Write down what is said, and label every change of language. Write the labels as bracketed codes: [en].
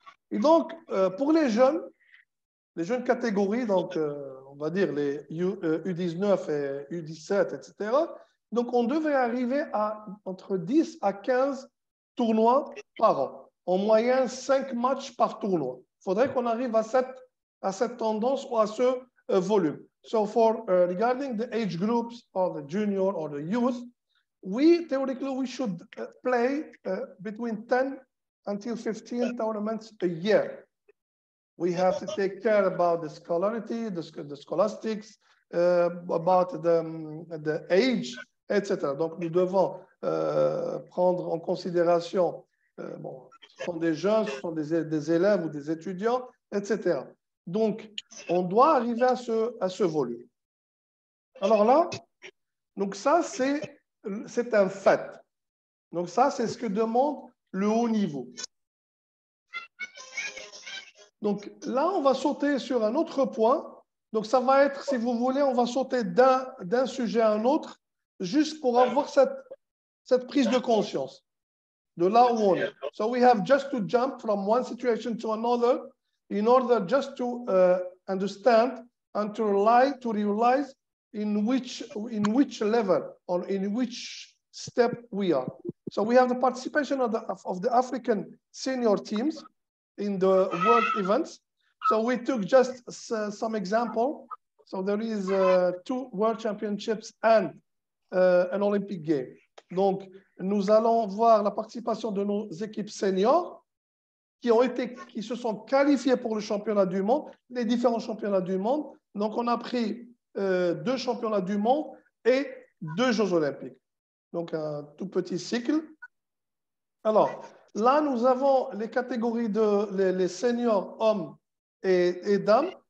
[fr] Et donc, pour les jeunes catégories, donc on va dire les U19 et U17, etc., donc on devrait arriver à entre 10 à 15 tournois par an. En moyenne, 5 matchs par tournoi. Il faudrait qu'on arrive à cette tendance ou à ce volume. [en] So for regarding the age groups or the junior or the youth, we theoretically we should play between 10 until 15 tournaments a year. We have to take care about the scolarity, the scholastics, about the age, etc. [fr] Donc nous devons prendre en considération, bon, ce sont des jeunes, ce sont des élèves ou des étudiants, etc. Donc, on doit arriver à ce volume. Alors là, donc ça, c'est un fait. Donc ça, c'est ce que demandent le haut niveau. Donc là, on va sauter sur un autre point. Donc ça va être, si vous voulez, on va sauter d'un sujet à un autre juste pour avoir cette prise de conscience de là où on est. [en] So we have just to jump from one situation to another in order just to understand and to realize in which level or in which step we are. So we have the participation of the African senior teams in the world events. So we took just some example. So there is two world championships and an Olympic game. [fr] Donc, nous allons voir la participation de nos équipes seniors qui se sont qualifiées pour le championnat du monde, les différents championnats du monde. Donc, on a pris deux championnats du monde et deux Jeux olympiques. Donc, un tout petit cycle. Alors, là, nous avons les catégories de les seniors hommes et dames.